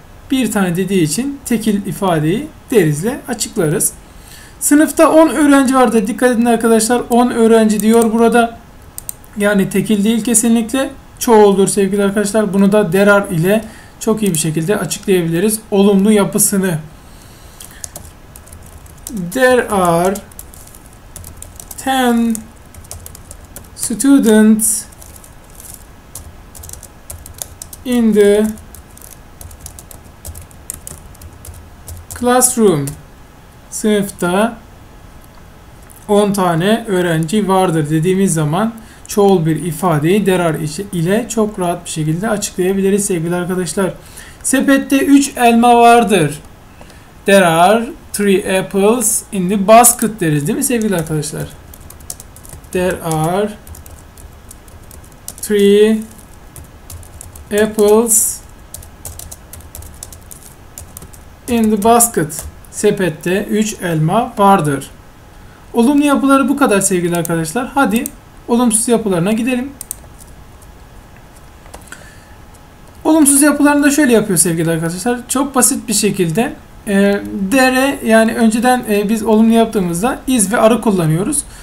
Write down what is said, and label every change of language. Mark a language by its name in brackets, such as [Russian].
[Turkish] Bir tane dediği için tekil ifadeyi there is'le açıklarız. Sınıfta 10 öğrenci vardır. Dikkat edin arkadaşlar, 10 öğrenci diyor burada. Yani tekil değil kesinlikle. Çoğuldur sevgili arkadaşlar. Bunu da there are ile çok iyi bir şekilde açıklayabiliriz. Olumlu yapısını. [English] There are 10 students in the classroom. [Turkish] Sınıfta 10 tane öğrenci vardır dediğimiz zaman çoğul bir ifadeyi there are ile çok rahat bir şekilde açıklayabiliriz sevgili arkadaşlar. Sepette 3 elma vardır. [English] There are 3 apples in the basket [Turkish] deriz değil mi sevgili arkadaşlar? [English] There are 3 apples in the basket. [Turkish] Sepette 3 elma vardır. Olumlu yapıları bu kadar sevgili arkadaşlar. Hadi olumsuz yapılarına gidelim. Olumsuz yapılarını da şöyle yapıyor sevgili arkadaşlar. Çok basit bir şekilde there, yani önceden biz olumlu yaptığımızda is ve are kullanıyoruz.